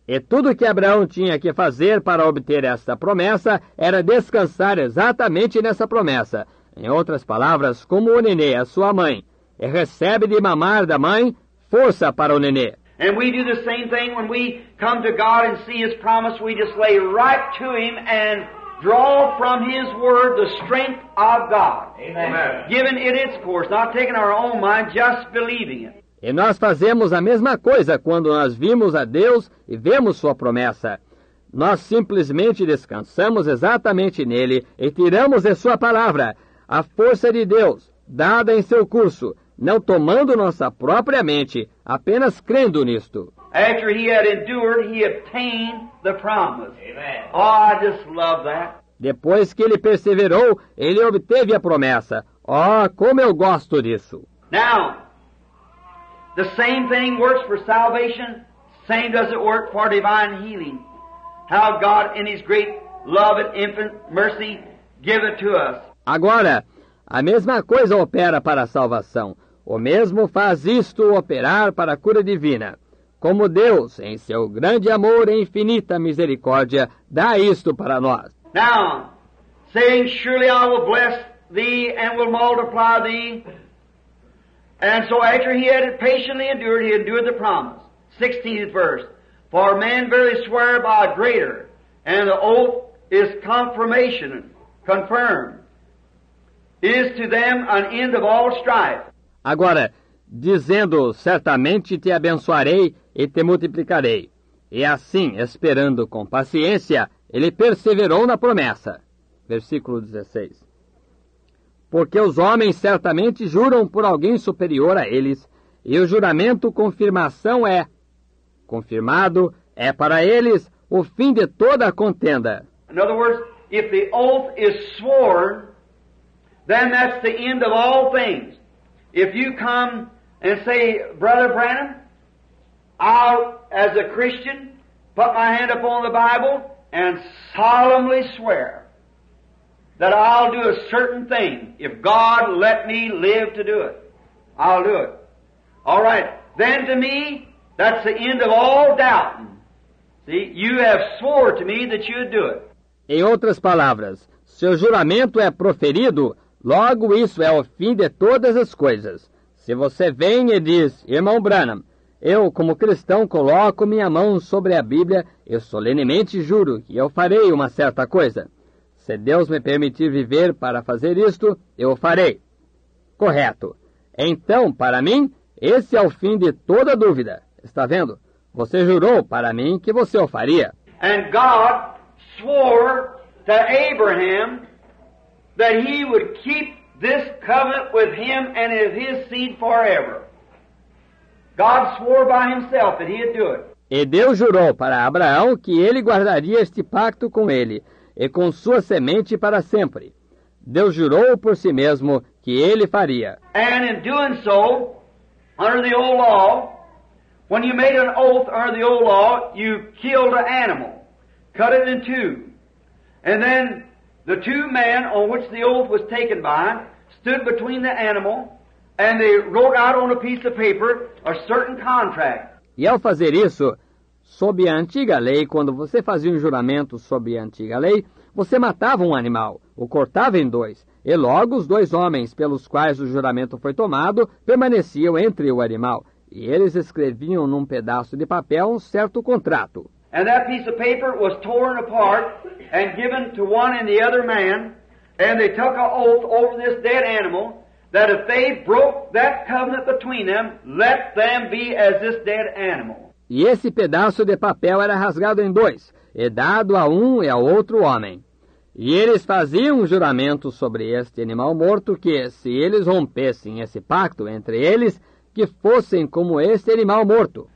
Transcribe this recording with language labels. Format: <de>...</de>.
<pt>E tudo que Abraão tinha que fazer para obter esta promessa era descansar exatamente nessa promessa. Em outras palavras, como o nenê é sua mãe, e recebe de mamar da mãe força para o nenê.</pt> <en>And we do the same thing when we come to God and see His promise. We just lay right to Him and draw from His word the strength of God. Amen. Giving it its course, not taking our own mind, just believing it.</en> <pt>E nós fazemos a mesma coisa quando nós vimos a Deus e vemos Sua promessa. Nós simplesmente descansamos exatamente nele e tiramos de Sua palavra a força de Deus, dada em seu curso, não tomando nossa própria mente, apenas crendo nisto.</pt> <en>After he had endured, he obtained the promise. Amen. Oh, I just love that.</en> <pt>Depois que ele perseverou, ele obteve a promessa. Oh, como eu gosto disso.</pt> <en>Now, the same thing works for salvation, same does it work for divine healing. How God in his great love and infinite mercy give it to us.</en> <pt>Agora, a mesma coisa opera para a salvação. O mesmo faz isto operar para a cura divina. Como Deus, em seu grande amor e infinita misericórdia, dá isto para nós.</pt> <en>Now, saying, surely I will bless thee and will multiply thee. And so after he had patiently endured, he endured the promise. 16th verse. For men verily swear by a greater, and the oath is confirmation, confirmed, is to them an end of all strife.</en> <pt>Agora, dizendo, certamente te abençoarei e te multiplicarei. E assim, esperando com paciência, ele perseverou na promessa. Versículo 16. Porque os homens certamente juram por alguém superior a eles, e o juramento confirmação é. Confirmado é para eles o fim de toda a contenda.</pt> <en>In other words, if the oath is sworn, then that's the end of all things. If you come and say, Brother Branham, I'll, as a Christian, put my hand upon the Bible and solemnly swear that I'll do a certain thing if God let me live to do it. I'll do it. All right. Then to me, that's the end of all doubting. See, you have swore to me that you'd do it.</en> <pt>Em outras palavras, seu juramento é proferido, logo isso é o fim de todas as coisas. Se você vem e diz, Irmão Branham, eu, como cristão, coloco minha mão sobre a Bíblia e solenemente juro que eu farei uma certa coisa. Se Deus me permitir viver para fazer isto, eu farei. Correto. Então, para mim, esse é o fim de toda dúvida. Está vendo? Você jurou para mim que você o faria.</pt> <en>And God swore to Abraham that he would keep this covenant with him and his seed forever. God swore by himself that he'd do it.</en> <pt>E Deus jurou para Abraão que ele guardaria este pacto com ele e com sua semente para sempre. Deus jurou por si mesmo que ele faria.</pt> <en>And in doing so, under the old law, when you made an oath under the old law, you killed an animal, cut it in two. And then the two men on which the oath was taken by stood between the animal, and they wrote out on a piece of paper a certain contract.</en> <pt>E ao fazer isso, sob a antiga lei, quando você fazia um juramento sob a antiga lei, você matava um animal, o cortava em dois, e logo os dois homens pelos quais o juramento foi tomado permaneciam entre o animal, e eles escreviam num pedaço de papel um certo contrato.</pt> <en>And that piece of paper was torn apart and given to one and the other man, and they took an oath over this dead animal, that if they broke that covenant between them, let them be as this dead animal.</en> <pt>E esse pedaço de papel era rasgado em dois, e dado a um e ao outro homem. E eles faziam um juramento sobre este animal morto, que se eles rompessem esse pacto entre eles, que fossem como este animal morto.</pt>